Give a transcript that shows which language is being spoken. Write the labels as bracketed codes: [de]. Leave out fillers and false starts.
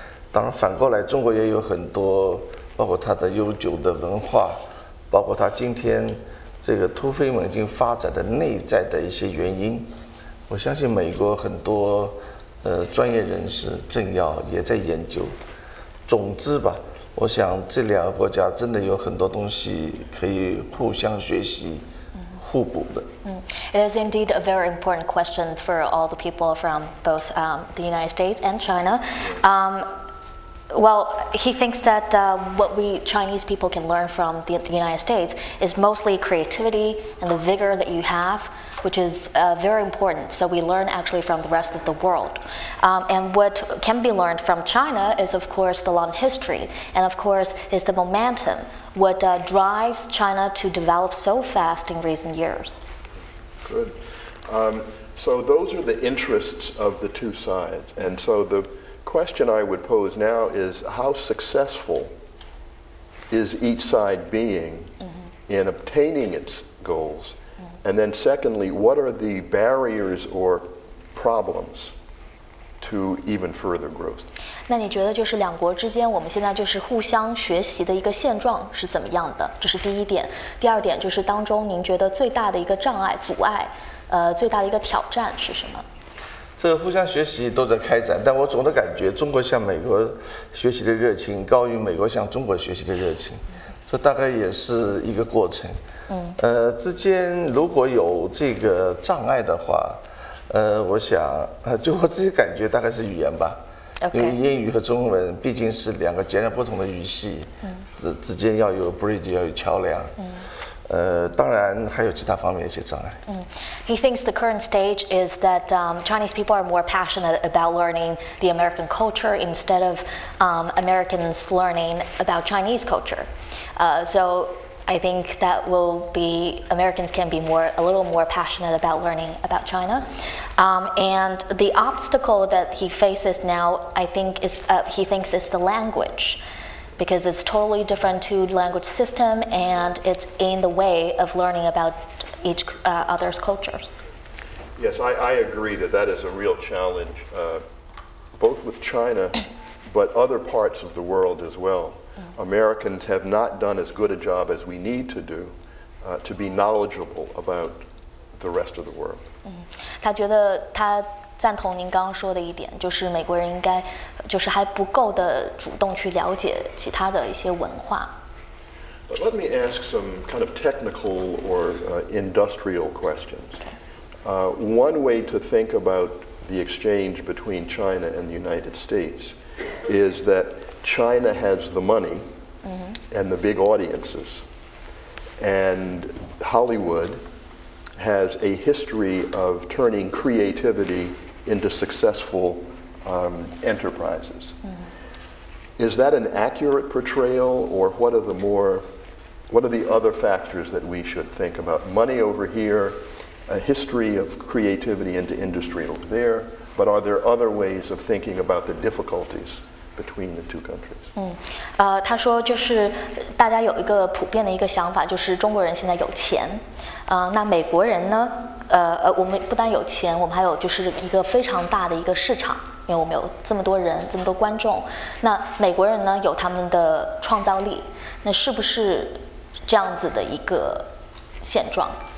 [zh] 当然反过来，中国也有很多包括它的悠久的文化，包括它今天这个突飞猛进发展的内在的一些原因。我相信美国很多专业人士政要也在研究。总之吧，我想这两个国家真的有很多东西可以互相学习互补的。 [en] It is indeed a very important question for all the people from both the United States and China. Well, he thinks that what we Chinese people can learn from the United States is mostly creativity and the vigor that you have, which is very important. So we learn actually from the rest of the world. And what can be learned from China is, of course, the long history. And of course, is the momentum, what drives China to develop so fast in recent years. Good. So those are the interests of the two sides. And so the question I would pose now is, how successful is each side being in obtaining its goals? And then secondly, what are the barriers or problems to even further growth? [zh] 那你觉得就是两国之间我们现在就是互相学习的一个现状是怎么样的？这是第一点。第二点就是当中您觉得最大的一个障碍、阻碍、最大的一个挑战是什么？这互相学习都在开展，但我总的感觉中国向美国学习的热情高于美国向中国学习的热情，这大概也是一个过程。之间如果有这个障碍的话，我想就我自己感觉大概是语言吧。 [en] Okay. [zh] 因为英语和中文毕竟是两个截然不同的语系，之间要有 bridge， 要有桥梁。当然还有其他方面一些障碍。 [en] He thinks the current stage is that Chinese people are more passionate about learning the American culture instead of Americans learning about Chinese culture. So I think that will be, Americans can be more, a little more passionate about learning about China. And the obstacle that he faces now, I think, is he thinks is the language. Because it's totally different to language system, and it's in the way of learning about each other's cultures. Yes, I agree that that is a real challenge, both with China, but other parts of the world as well. Americans have not done as good a job as we need to do to be knowledgeable about the rest of the world. [zh] 他觉得他赞同您刚刚说的一点，就是美国人应该就是还不够的主动去了解其他的一些文化。 [en] But let me ask some kind of technical or industrial questions. One way to think about the exchange between China and the United States is that China has the money mm-hmm. and the big audiences. And Hollywood has a history of turning creativity into successful enterprises. Mm-hmm. Is that an accurate portrayal, or what are the other factors that we should think about? Money over here, a history of creativity into industry over there, but are there other ways of thinking about the difficulties between the two countries? [zh] 他说就是大家有一个普遍的一个想法，就是中国人现在有钱，那美国人呢？我们不但有钱，我们还有就是一个非常大的一个市场，因为我们有这么多人，这么多观众。那美国人呢，有他们的创造力，那是不是这样子的一个现状？